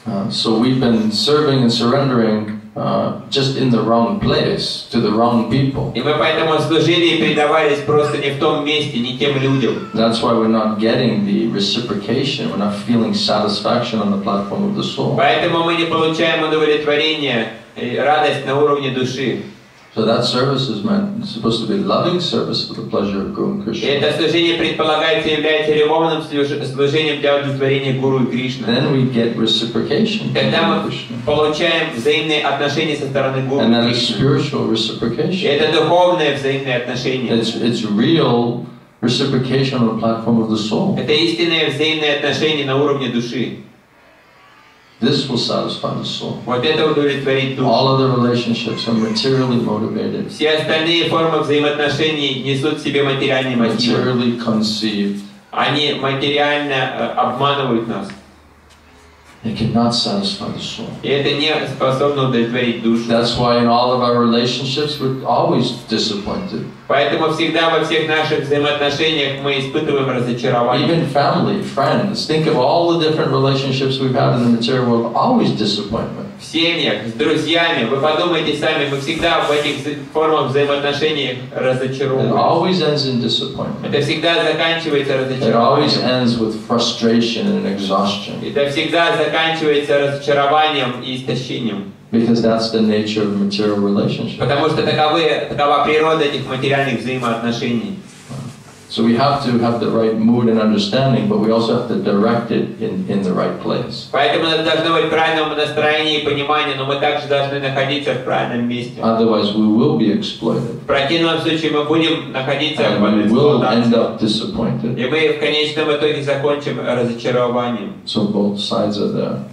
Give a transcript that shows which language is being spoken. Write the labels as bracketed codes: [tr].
[en] So we've been serving and surrendering just in the wrong place to the wrong people. [ru] И мы поэтому служили и предавались просто не в том месте, не тем людям. [en] That's why we're not getting the reciprocation. We're not feeling satisfaction on the platform of the soul. [ru] Поэтому мы не получаем удовлетворение, радость на уровне души. [en] So that service is meant, supposed to be loving service for the pleasure of Guru and Krishna. [ru] Это служение предполагается является любовным служением для удовлетворения Гуру и Кришны. [en] Then we get reciprocation. [ru] Когда мы получаем взаимные отношения со стороны Гуру. [en] And that is spiritual reciprocation. [ru] Это духовное взаимное отношение. [en] It's real reciprocation on the platform of the soul. [ru] Это истинное взаимное отношение на уровне души. [en] This will satisfy the soul. [ru] Вот это удовлетворит дух. [en] All other relationships are materially motivated. [ru] Все остальные формы взаимоотношений несут в себе материальный мотив. [en] Materially conceived. [ru] Они материально обманывают нас. [en] It cannot satisfy the soul. [ru] И это не способно удовлетворить душу. [en] That's why in all of our relationships we're always disappointed. [ru] Поэтому всегда во всех наших взаимоотношениях мы испытываем разочарование. [en] Even family, friends. Think of all the different relationships we've had in the material world. Always disappointment. [ru] В семьях, с друзьями. Вы подумайте сами, мы всегда в этих формах взаимоотношений разочаровываемся. [en] It always ends in disappointment. [ru] Это всегда заканчивается разочарованием. [en] It always ends with frustration and exhaustion. [ru] Это всегда заканчивается разочарованием и истощением. [en] Because that's the nature of material relationships. [ru] Потому что такова природа этих материальных взаимоотношений. [en] So we have to have the right mood and understanding, but we also have to direct it in the right place. [ru] Поэтому мы должны быть в правильном настроении и понимании, но мы также должны находиться в правильном месте. [en] Otherwise, we will be exploited. [ru] В противном случае мы будем находиться в эксплуатации. [en] And we will end up disappointed. [ru] И мы в конечном итоге закончим разочарованием. [en] So both sides are there.